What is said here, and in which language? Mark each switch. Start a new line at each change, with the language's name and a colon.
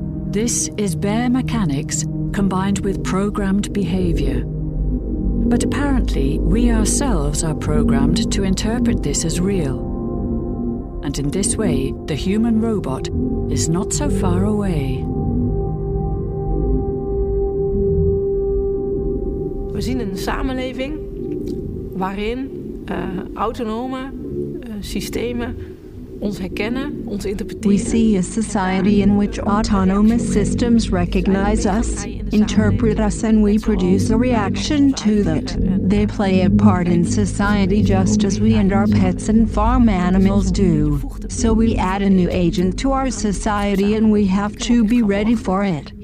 English: This is bare mechanics combined with programmed behavior. But apparently, we ourselves are programmed to interpret this as real. And in this way, the human robot is not so far away.
Dutch: We zien een samenleving waarin autonome systemen ons herkennen, ons interpreteren.
English: We see a society in which autonomous systems recognize us, interpret us, and we produce a reaction to that. They play a part in society just as we and our pets and farm animals do. So we add a new agent to our society and we have to be ready for it.